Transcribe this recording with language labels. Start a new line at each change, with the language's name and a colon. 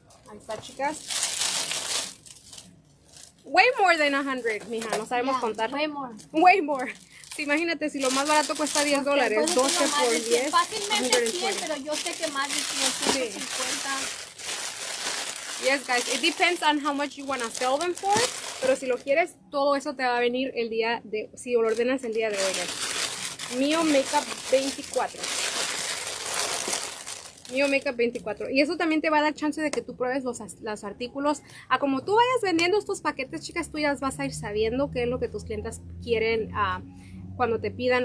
Spanish: Ahí está, chicas.
English: Way more than 100, mija. No sabemos contar. Way more. Way more.
Spanish: Sí, imagínate, si lo más barato cuesta $10, okay, 12 por 10. Fácilmente 100, 120. Pero yo sé que más de 150.
English: Yes, guys, it depends on how much you want to sell them for.
Spanish: Pero si lo quieres, todo eso te va a venir el día de... Si lo ordenas el día de hoy. Mio Makeup 24. Mio Makeup 24. Y eso también te va a dar chance de que tú pruebes los artículos. A como tú vayas vendiendo estos paquetes, chicas, tú ya vas a ir sabiendo qué es lo que tus clientes quieren cuando te pidan.